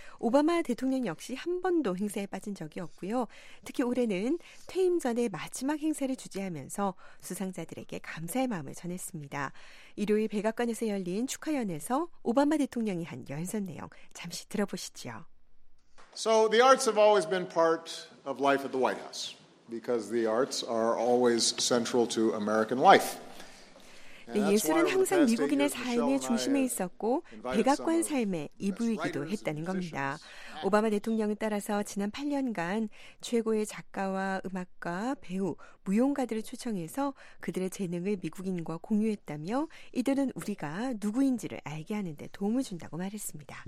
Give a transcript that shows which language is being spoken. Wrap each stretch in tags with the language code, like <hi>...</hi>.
<ko>오바마 대통령 역시 한 번도 행사에 빠진 적이 없고요. 특히 올해는 퇴임 전에 마지막 행사를 주재하면서 수상자들에게 감사의 마음을 전했습니다. 일요일 백악관에서 열린 축하연에서 오바마 대통령이 한 연설 내용 잠시 들어보시죠.</ko> <en>So the arts have always been part of life at the White House because the arts are always central to American life.</en> <ko>네, 예술은 항상 미국인의 삶의 중심에 있었고 백악관 삶의 이부이기도 했다는 겁니다. 오바마 대통령에 따라서 지난 8년간 최고의 작가와 음악가, 배우, 무용가들을 초청해서 그들의 재능을 미국인과 공유했다며 이들은 우리가 누구인지를 알게 하는 데 도움을 준다고 말했습니다.</ko>